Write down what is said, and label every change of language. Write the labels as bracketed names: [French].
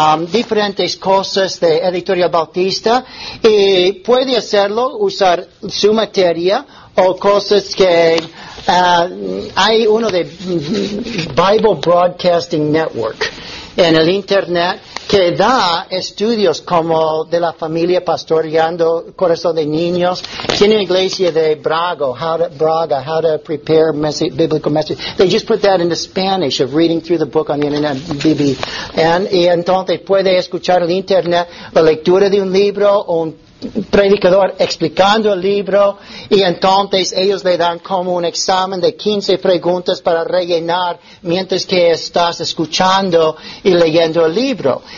[Spanish] diferentes cosas de Editorial Bautista, y puede hacerlo, usar su materia o cosas que hay uno de Bible Broadcasting Network en el internet que da estudios como de la familia pastoreando corazón de niños. Tiene una iglesia de Braga, [English] how to prepare biblical message. They just put that into Spanish of reading through the book on the internet, BBN. [Spanish] Y entonces puede escuchar en el internet la lectura de un libro o un predicador explicando el libro, y entonces ellos le dan como un examen de 15 preguntas para rellenar mientras que estás escuchando y leyendo el libro.